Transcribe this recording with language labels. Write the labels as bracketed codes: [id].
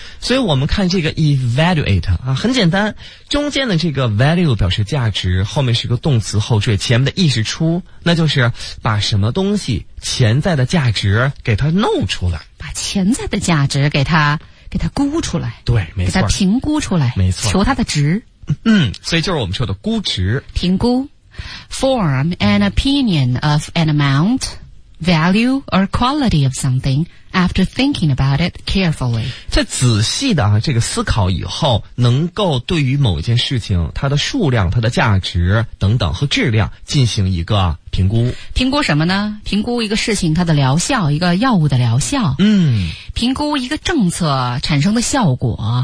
[zh] 所以我们看这个 evaluate 啊，很简单，中间的这个 value 表示价值，后面是个动词后缀，前面的 e 是出，那就是把什么东西潜在的价值给它弄出来，把潜在的价值给它估出来，对，没错，给它评估出来，没错，求它的值，所以就是我们说的估值，评估 [en] ，form an opinion of an amount。 value or quality of something after thinking about it carefully. [zh] 在仔细的这个思考以后，能够对于某一件事情，它的数量、它的价值等等和质量进行一个评估。评估什么呢？评估一个事情它的疗效，一个药物的疗效。嗯。评估一个政策产生的效果。